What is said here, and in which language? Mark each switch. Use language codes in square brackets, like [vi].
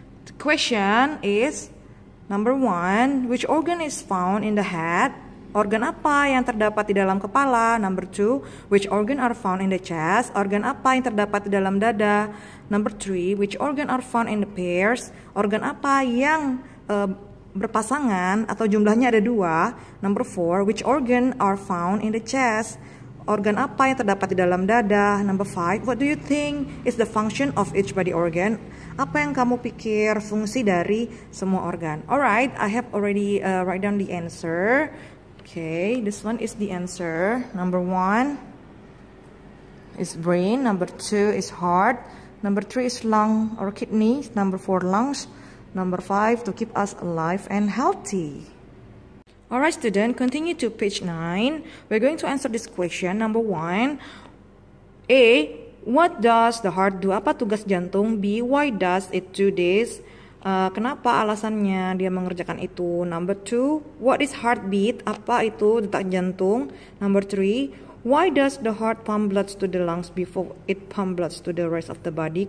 [en] The question is number 1, which organ is found in the head? [id] Organ apa yang terdapat di dalam kepala? [en] Number 2, which organ are found in the chest? [id] Organ apa yang terdapat di dalam dada? [en] Number 3, which organ are found in the pairs? [id] Organ apa yang berpasangan atau jumlahnya ada 2. [en] Number 4, which organ are found in the chest? [id] Organ apa yang terdapat di dalam dada? [en] Number 5, what do you think is the function of each body organ? [id] Apa yang kamu pikir fungsi dari semua organ? [en] Alright, I have already write down the answer. Okay, this one is the answer. Number 1 is brain. Number 2 is heart. Number 3 is lung or kidney. Number 4, lungs. Number 5, to keep us alive and healthy. Alright student, continue to page 9. We're going to answer this question. Number 1, A, what does the heart do? [id] Apa tugas jantung? [en] B, why does it do this? [id] Kenapa alasannya dia mengerjakan itu? [en] Number 2, what is heartbeat? [id] Apa itu detak jantung? [en] Number 3, why does the heart pump blood to the lungs before it pump blood to the rest of the body?